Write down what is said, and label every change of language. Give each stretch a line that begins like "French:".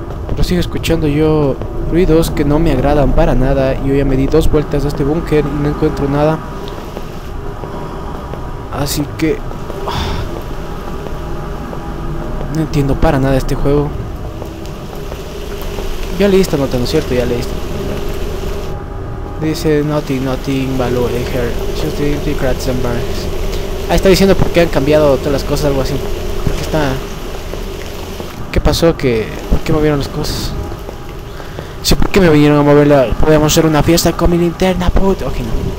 Spanish: Pero sigo escuchando yo ruidos que no me agradan para nada. Yo ya me di dos vueltas a este búnker y no encuentro nada. Así que no entiendo para nada este juego. Ya leí esta nota, ¿no es cierto? Ya leí esta. Dice
English: nothing below here. Just the crates and barrels.
Spanish: Ah, está diciendo porque han cambiado todas las cosas, algo así. Porque está. ¿Qué pasó? ¿Qué? ¿Por qué movieron las cosas? Sí, ¿por qué me vinieron a moverla? Podríamos hacer una fiesta con mi linterna, put. Ok, no.